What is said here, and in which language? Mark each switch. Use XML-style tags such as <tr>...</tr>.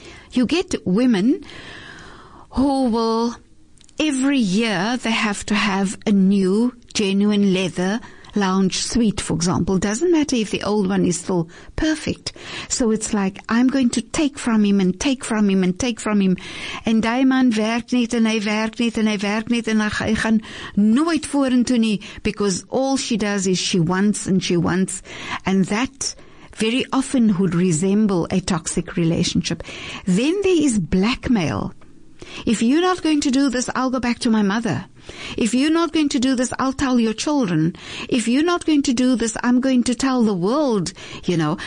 <en>You get women who will, every year they have to have a new genuine leather lounge suite, for example. Doesn't matter if the old one is still perfect. So it's like, I'm going to take from him and take from him and take from him.</en> <af>En die man werk net en hy werk net en hy werk net en hy gaan nooit vorentoe nie.</af> <en>Because all she does is she wants and she wants. And that very often would resemble a toxic relationship. Then there is blackmail. If you're not going to do this, I'll go back to my mother. If you're not going to do this, I'll tell your children. If you're not going to do this, I'm going to tell the world, you know.</en>